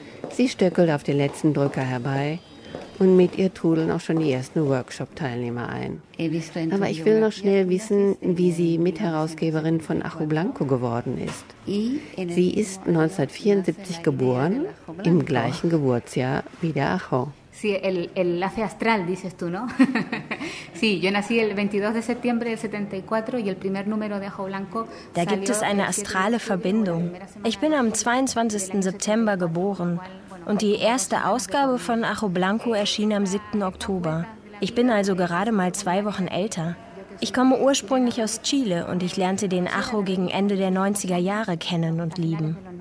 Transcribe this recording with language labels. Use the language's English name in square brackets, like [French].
[German] Sie stöckelt auf den letzten Drücker herbei und mit ihr trudeln auch schon die ersten Workshop-Teilnehmer ein. Aber ich will noch schnell wissen, wie sie Mitherausgeberin von Ajo Blanco geworden ist. Sie ist 1974 geboren, im gleichen Geburtsjahr wie der Ajo. [Spanish] Sí, el enlace astral, dices tú, ¿no? Sí, yo nací el 22 de septiembre del 74 y el primer número de Ajo Blanco. [German] Da gibt es eine astrale Verbindung. Ich bin am 22. September geboren und die erste Ausgabe von Ajo Blanco erschien am 7. Oktober. Ich bin also gerade mal 2 Wochen älter. Ich komme ursprünglich aus Chile und ich lernte den Ajo gegen Ende der 90er Jahre kennen und lieben.